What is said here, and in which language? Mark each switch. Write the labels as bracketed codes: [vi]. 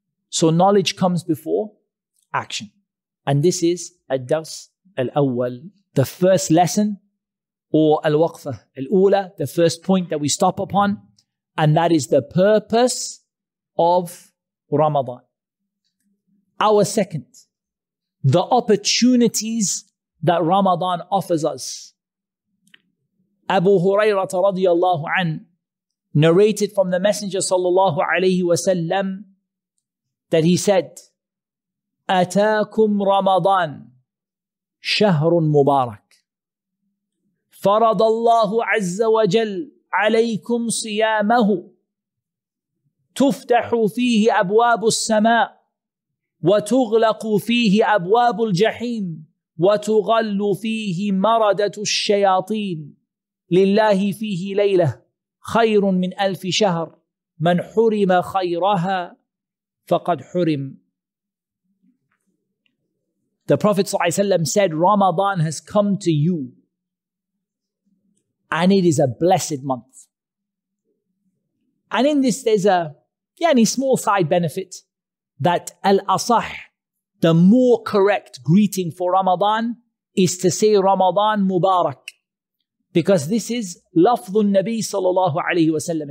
[en] So knowledge comes before action. And this is [ar] الدرس الأول, [en] the first lesson, or [ar] الوقفة الأولى, [en] the first point that we stop upon. And that is the purpose of Ramadan. Our second, the opportunities that Ramadan offers us. Abu Hurairah radiallahu anh narrated from the Messenger sallallahu alayhi wasallam that he said, [ar] أتاكم رمضان شهر مبارك فرض الله عز وجل عليكم صيامه تفتح فيه أبواب السماء وتغلق فيه أبواب الجحيم وتغل فيه مردة الشياطين لله فيه ليلة خير من ألف شهر من حرم خيرها فَقَدْ حُرِمْ. [en] The Prophet ﷺ said, Ramadan has come to you and it is a blessed month. And in this there's a small side benefit that al-asah, the more correct greeting for Ramadan is to say Ramadan Mubarak, because this is lafzun Nabi sallallahu alayhi wa sallam.